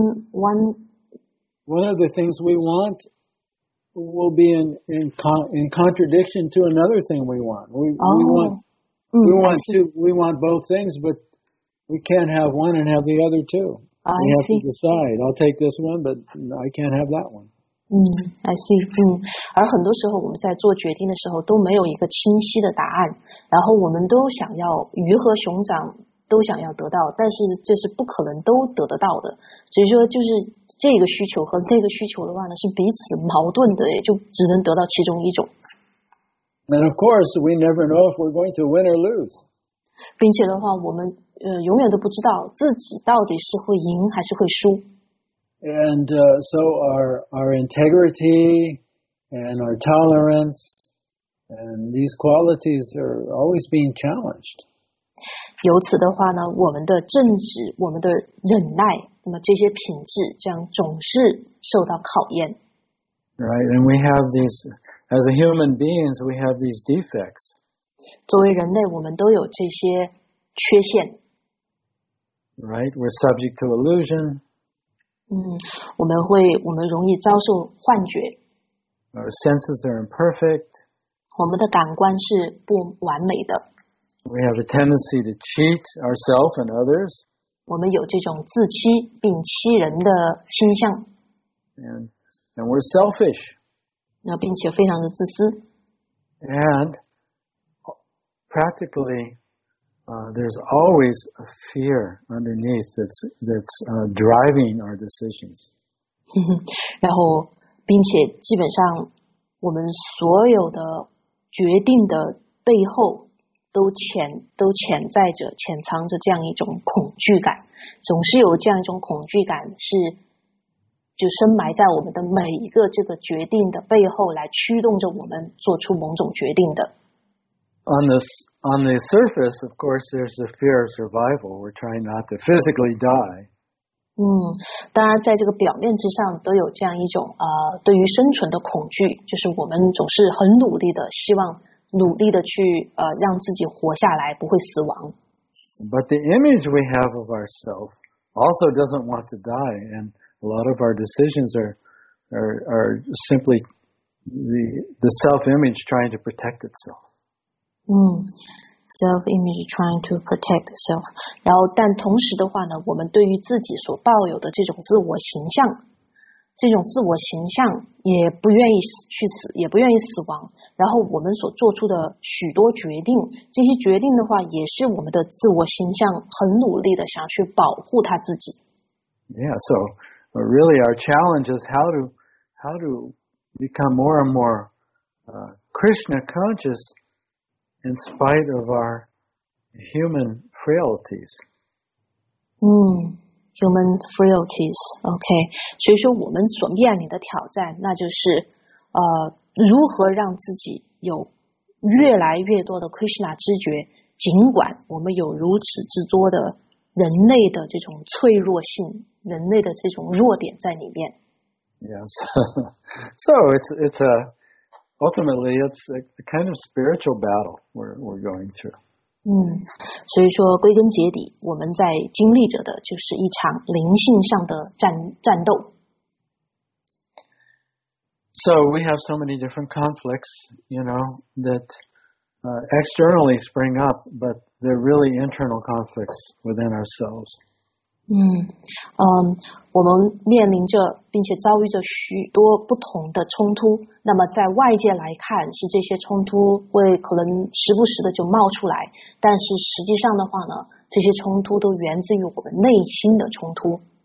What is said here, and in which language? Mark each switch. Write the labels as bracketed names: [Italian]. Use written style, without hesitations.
[English] One of the things we want will be in contradiction to another thing we want. We want both things, but we can't have one and have the other too. We have to decide. I'll take this one, but I can't have that one. I see. [Chinese] 而很多时候我们在做决定的时候都没有一个清晰的答案，然后我们都想要鱼和熊掌都想要得到，但是这是不可能都得得到的，所以说就是这个需求和那个需求的话呢是彼此矛盾的，也就只能得到其中一种。 [English] And of course we never know if we're going to win or lose. [Chinese] 并且的话我们永远都不知道自己到底是会赢还是会输。 [English] And so our integrity and our tolerance and these qualities are always being challenged. [Chinese] 由此的话呢，我们的正直，我们的忍耐，那么这些品质将总是受到考验。 [English] Right, and we have these, as a human beings, we have these defects. [Chinese] 作为人类，我们都有这些缺陷。 [English] Right, we're subject to illusion. [Chinese] 我们容易遭受幻觉。 [English] Our senses are imperfect. [Chinese] 我们的感官是不完美的。 [English] We have a tendency to cheat ourselves and others. [Chinese] 我们有这种自欺并欺人的倾向。 [English] And we're selfish. [Chinese] 那并且非常的自私。 [English] And practically, there's always a fear underneath that's driving our decisions. [Chinese] 然后并且基本上我们所有的决定的背后都潜在着潜藏着这样一种恐惧感，总是有这样一种恐惧感是就深埋在我们的每一个这个决定的背后，来驱动着我们做出某种决定的。 [English] On the surface, of course, there's the fear of survival. We're trying not to physically die. [Chinese] 当然在这个表面之上都有这样一种对于生存的恐惧，就是我们总是很努力的希望努力的去让自己活下来，不会死亡。 [English] But the image we have of ourselves also doesn't want to die, and a lot of our decisions are simply the self-image trying to protect itself. Self-image trying to protect itself. [Chinese] 然后，但同时的话呢，我们对于自己所抱有的这种自我形象，这种自我形象也不愿意去死，也不愿意死亡。然后我们所做出的许多决定，这些决定的话，也是我们的自我形象很努力的想去保护他自己。 [English] Yeah, so really our challenge is how to become more and more Krishna conscious in spite of our human frailties. Human frailties, okay. [Chinese] 所以说我们所面临的挑战，那就是如何让自己有越来越多的 Krishna 知觉，尽管我们有如此之多的人类的这种脆弱性，人类的这种弱点在里面。 Yes. [English] So it's ultimately a kind of spiritual battle we're going through. [Chinese] 所以说归根结底，我们在经历着的就是一场灵性上的战斗。 [English] So we have so many different conflicts, you know, that externally spring up, but they're really internal conflicts within ourselves. [Chinese] 我们面临着并且遭遇着许多不同的冲突，那么在外界来看是这些冲突会可能时不时的就冒出来，但是实际上的话呢，这些冲突都源自于我们内心的冲突。